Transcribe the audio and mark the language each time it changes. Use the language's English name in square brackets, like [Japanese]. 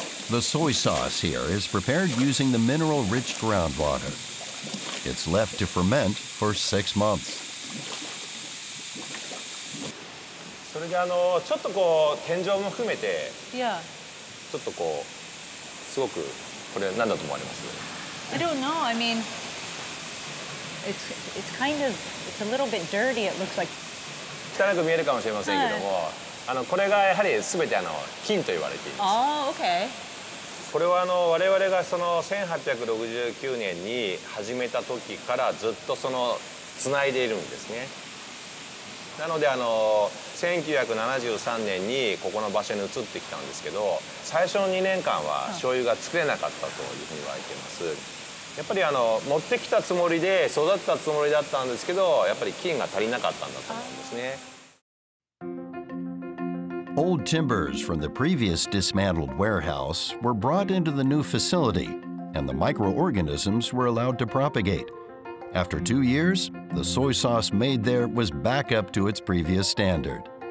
[English] The soy sauce here is prepared using the mineral-rich groundwater. It's left to ferment for 6 months. [Japanese] それであのちょっとこう天井も含めて、 [English] yeah. [Japanese] ちょっとこうすごくこれ何だと思われます [English] ？I don't know. I mean, it's kind of it's a little bit dirty. It looks like [Japanese] 汚く見えるかもしれませんけども、あのこれがやはり全てあの金と言われています。 [English] Oh, okay. [Japanese] これはあの我々がその1869年に始めた時からずっとそのつないでいるんですね。なのであの1973年にここの場所に移ってきたんですけど、最初の2年間は醤油が作れなかったというふうに言われています。やっぱりあの持ってきたつもりで育てたつもりだったんですけど、やっぱり菌が足りなかったんだと思うんですね。 [English] Old timbers from the previous dismantled warehouse were brought into the new facility, and the microorganisms were allowed to propagate. After 2 years, the soy sauce made there was back up to its previous standard.